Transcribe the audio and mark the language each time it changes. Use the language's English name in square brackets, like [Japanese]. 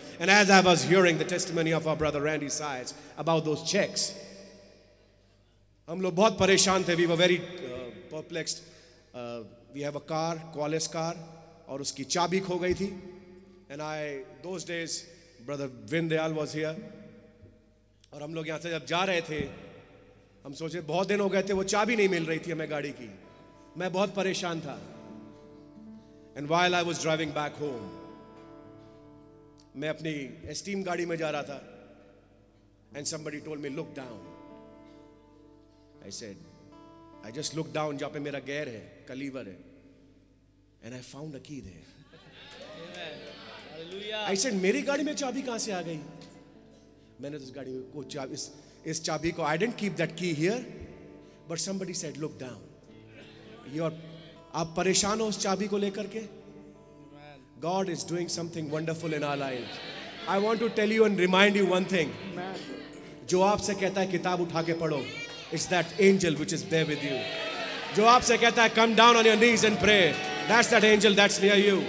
[English] And as I was hearing the testimony of our brother Randy Sides about those checks, [Hindi] हम लोग बहुत परेशान थे. [English] We were very perplexed. We have a car, Qualis car, [Hindi] और उसकी चाबी खो गई थी. [English] And I those days. Brother Vin Dayal was here. [Hindi] और हम लोग यहाँ से जब जा रहे थे हम सोचे बहुत दिन हो गए थे वो चाबी नहीं मिल रही थी हमें गाड़ी की. मैं बहुत परेशान था. [English] And while I was driving back home, [Hindi] मैं अपनी esteem गाड़ी में जा रहा था. [English] And somebody told me, look down. I said, I just looked down, [Hindi] जहाँ पे मेरा गियर है, कलीवर है. [English] And I found a key there. I said, [Hindi] मेरी गाड़ी में चाबी कहां से आ गई? मैंने उस गाड़ी को इस चाबी को [English] I didn't keep that key here but somebody said look down your [Hindi] आप परेशान हो उस चाबी को लेकर के [English] God is doing something wonderful in our life I want to tell you and remind you one thing [Hindi] जो आपसे कहता है किताब उठा के पढ़ो [English] it's that angel which is there with you [Hindi] जो आपसे कहता है [English] come down on your knees and pray that's that angel that's near you